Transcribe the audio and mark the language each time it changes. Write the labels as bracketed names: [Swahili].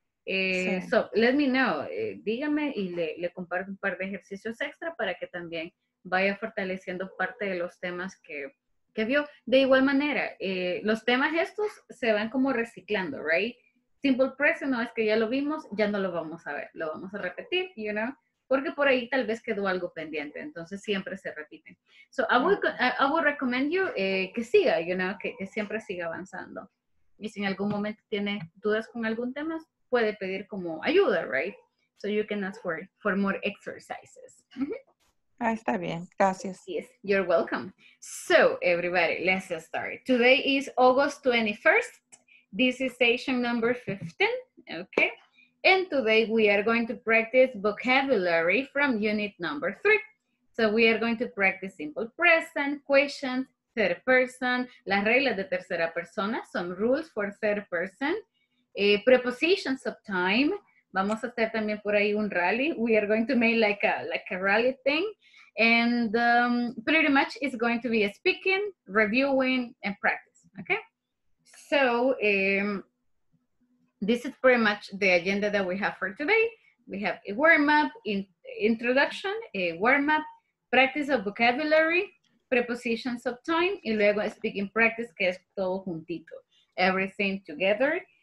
[Spanish] Sí. [English] So, let me know. [Spanish] Dígame y le comparto un par de ejercicios extra para que también vaya fortaleciendo parte de los temas que vio. De igual manera, los temas estos se van como reciclando, right? Simple present, no es que ya lo vimos, ya no lo vamos a ver. Lo vamos a repetir, you know? Porque por ahí tal vez quedó algo pendiente. Entonces, siempre se repite. [English] So, I would recommend you [Spanish] que siga, [English] you know? [Spanish] Que siempre siga avanzando. Y si en algún momento tiene dudas con algún tema, puede pedir como ayuda, right? [English] So, you can ask for more exercises. [Spanish] Mm-hmm. Ah, está bien. Gracias. [English] Yes, you're welcome. So, everybody, let's start. Today is August 21st. This is session number 15, okay? And today we are going to practice vocabulary from unit number 3. So we are going to practice simple present, questions, third person. [Spanish] Las reglas de tercera persona, [English] some rules for third person. Prepositions of time. [Spanish] Vamos a hacer también por ahí un rally. [English] We are going to make like a rally thing. And pretty much it's going to be a speaking, reviewing, and practice, okay? So, this is pretty much the agenda that we have for today. We have a warm-up, introduction, a warm-up, practice of vocabulary, prepositions of time, [Spanish] y luego [English] speaking practice, [Spanish] que es todo juntito, [English] everything together.